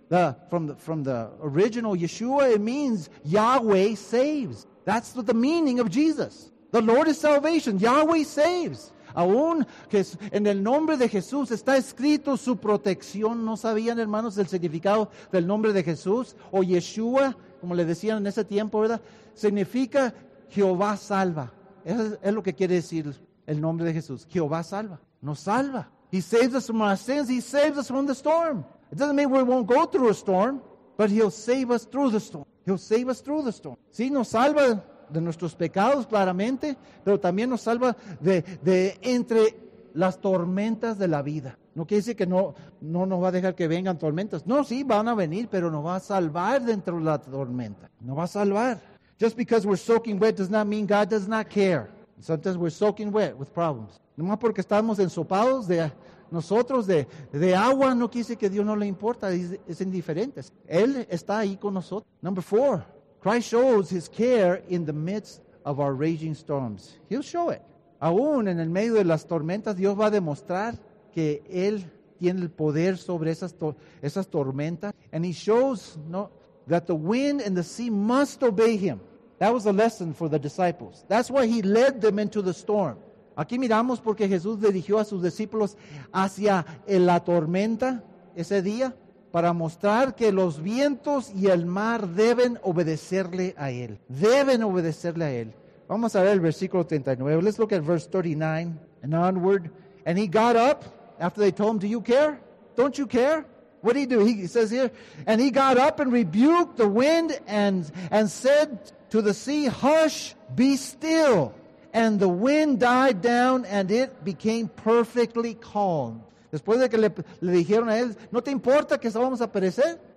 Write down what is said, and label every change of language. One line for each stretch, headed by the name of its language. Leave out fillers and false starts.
English: From the original Yeshua, it means Yahweh saves. That's the meaning of Jesus. The Lord is salvation. Yahweh saves.
Spanish: Aún que en el nombre de Jesús está escrito su protección. ¿No sabían, hermanos, el significado del nombre de Jesús? O Yeshua, como le decían en ese tiempo, ¿verdad? Significa Jehová salva. Eso es lo que quiere decir el nombre de Jesús. Jehová salva. Nos salva.
English: He saves us from our sins. He saves us from the storm. It doesn't mean we won't go through a storm, but he'll save us through the storm. He'll save us through the storm.
Spanish: Sí, nos salva de nuestros pecados, claramente, pero también nos salva de entre las tormentas de la vida. No quiere decir que no nos va a dejar que vengan tormentas. No, sí, van a venir, pero nos va a salvar dentro de la tormenta. Nos va a salvar.
English: Just because we're soaking wet does not mean God does not care. Sometimes we're soaking wet with problems.
Spanish: Nomás porque estamos ensopados de nosotros, de agua, no quiere decir que Dios no le importa, es indiferente. Él está ahí con nosotros.
English: Number four, Christ shows his care in the midst of our raging storms. He'll show it.
Spanish: Aún en el medio de las tormentas, Dios va a demostrar que Él tiene el poder sobre esas tormentas.
English: And he shows that the wind and the sea must obey him. That was a lesson for the disciples. That's why he led them into the storm.
Spanish: Aquí miramos porque Jesús dirigió a sus discípulos hacia la tormenta ese día para mostrar que los vientos y el mar deben obedecerle a Él. Deben obedecerle a Él. Vamos a ver el versículo 39.
English: Let's look at verse 39 and onward. And he got up after they told him, do you care? Don't you care? What did he do? He says here, and he got up and rebuked the wind and said to the sea, hush, be still. And the wind died down and it became perfectly calm.
Spanish: Después de que le dijeron a él, ¿no te importa que vamos a perecer?